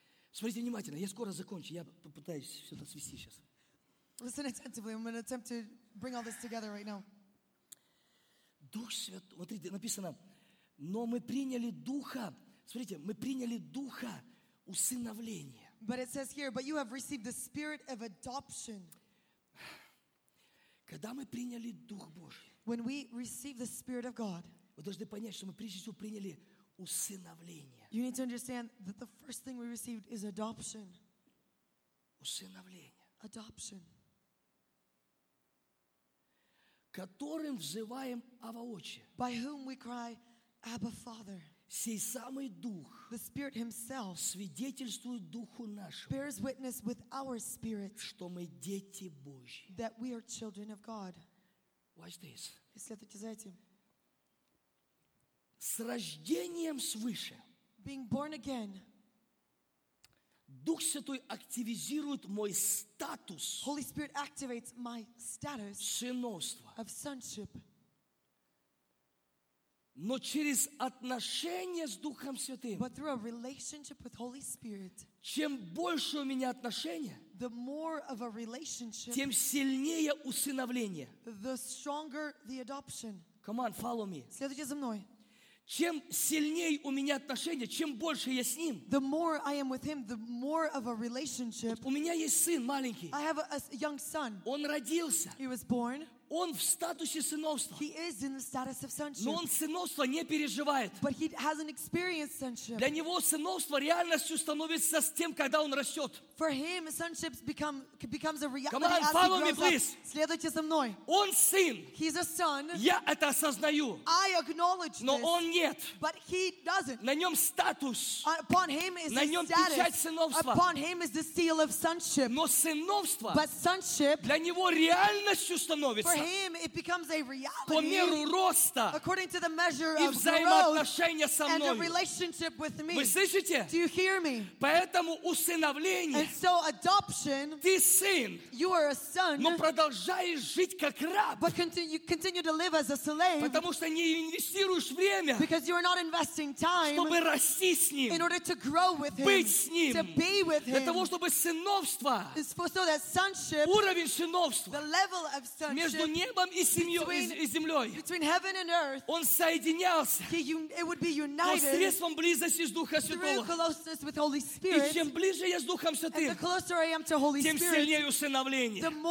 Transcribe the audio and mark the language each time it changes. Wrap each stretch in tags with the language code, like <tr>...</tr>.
<ru>Смотрите внимательно, я скоро закончу. Я попытаюсь все это свести сейчас.</ru> <en>Listen attentively. I'm going to attempt to bring all this together right now.</en> <ru>Дух Святой. Смотрите, написано, но мы приняли Духа. Смотрите, мы приняли Духа усыновления.</ru> <en>But it says here, but you have received the spirit of adoption.</en> <ru>Когда мы приняли Дух Божий,</ru> <en>when we receive the Spirit of God,</en> <ru>вы должны понять, что мы прежде всего приняли усыновление.</ru> <en>You need to understand that the first thing we received is adoption.</en> <ru>Усыновление.</ru> <en>Adoption.</en> <ru>Которым взываем Ава Отче.</ru> <en>By whom we cry, Abba Father.</en> <ru>Сей самый Дух,</ru> <en>the Spirit himself,</en> <ru>свидетельствует Духу нашему,</ru> <en>bears witness with our spirit,</en> <ru>что мы дети Божьи,</ru> <en>that we are children of God. Watch this.</en> <ru>И следуйте за этим. С рождением свыше,</ru> <en>being born again,</en> <ru>Дух Святой активизирует мой статус,</ru> <en>Holy Spirit activates my status,</en> <ru>сыновства,</ru> <en>of sonship.</en> <ru>Но через отношения с Духом Святым,</ru> <en>but through a relationship with Holy Spirit,</en> <ru>чем больше у меня отношения,</ru> <en>the more of a relationship,</en> <ru>тем сильнее усыновление.</ru> <en>The stronger the adoption. Come on, follow me.</en> <ru>Следуйте за мной. Чем сильнее у меня отношения, чем больше я с ним.</ru> <en>The more I am with him, the more of a relationship.</en> <ru>Вот у меня есть сын маленький.</ru> <en>I have a young son.</en> <ru>Он родился.</ru> <en>He was born.</en> <ru>Он в статусе сыновства.</ru> <en>He is in the status of sonship.</en> <ru>Но он сыновство не переживает.</ru> <en>But he hasn't experienced sonship.</en> <ru>Для него сыновство реальностью становится с тем, когда он растет.</ru> <en>For him, sonship becomes a reality. Come on, follow me, please.</en> <ru>Следуйте за мной. Он сын.</ru> <en>He's a son.</en> <ru>Я это осознаю.</ru> <en>I acknowledge this.</en> <ru>Но он нет.</ru> <en>But he doesn't.</en> <ru>На нем статус.</ru> <en>Upon him is</en> <ru>на нем</ru> <en>status.</en> <ru>Печать сыновства.</ru> <en>Upon him is the seal of sonship.</en> <ru>Но сыновство.</ru> <en>But sonship.</en> <ru>Для него реальностью становится.</ru> <en>For him, it becomes a reality.</en> <ru>По меру роста.</ru> <en>According to the measure of growth.</en> <ru>И взаимоотношения со мной.</ru> <en>And a relationship with me.</en> <ru>Вы слышите?</ru> <en>Do you hear me?</en> <ru>Поэтому усыновление.</ru> <en>And so adoption.</en> <ru>Ты сын.</ru> <en>You are a son.</en> <ru>Но продолжаешь жить как раб.</ru> <en>But continue to live as a slave.</en> <ru>Потому что не инвестируешь время.</ru> <en>Because you are not investing time.</en> <ru>Чтобы расти с ним.</ru> <en>In order to grow with him.</en> <ru>Быть с ним.</ru> <en>To be with him.</en> <ru>Для того, чтобы сыновство.</ru> <en>So that sonship.</en> <ru>Уровень сыновства.</ru> <en>The level of sonship.</en> <ru>Между небом и землей.</ru> <en>Between heaven and earth,</en> <ru>он соединялся посредством близости с Духом Святого. И чем ближе я с Духом Святым, тем сильнее усыновление.</ru>